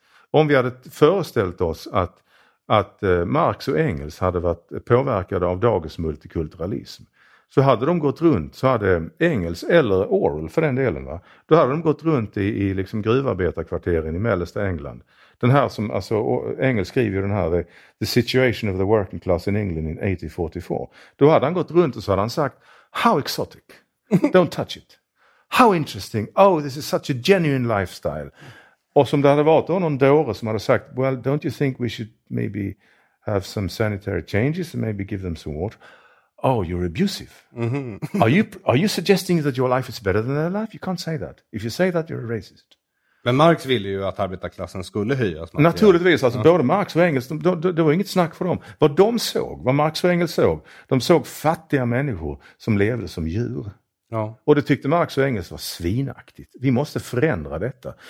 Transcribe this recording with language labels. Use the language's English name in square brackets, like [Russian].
[Swedish] Om vi hade föreställt oss att Marx och Engels hade varit påverkade av dagens multikulturalism, så hade de gått runt, så hade Engels eller Orwell för den delen, va? Då hade de gått runt i liksom gruvarbetarkvarteren i mellersta England. Den här som, alltså, Engels skriver ju den här, The Situation of the Working Class in England in 1844. Då hade han gått runt och så hade han sagt, [English] how exotic, don't touch it. How interesting, oh this is such a genuine lifestyle. [Swedish] Och som det hade varit då någon dåre som hade sagt, [English] well, don't you think we should maybe have some sanitary changes and maybe give them some water? Oh, you're abusive. Mm-hmm. Are you suggesting that your life is better than their life? You can't say that. If you say that, you're a racist. [Swedish] Men Marx ville ju att arbetarklassen skulle höjas. Naturligtvis, alltså, både Marx och Engels, det var inget snack för dem. Vad Marx och Engels såg, de såg fattiga människor som levde som djur. Ja. Och det tyckte Marx och Engels var svinaktigt. Vi måste förändra detta.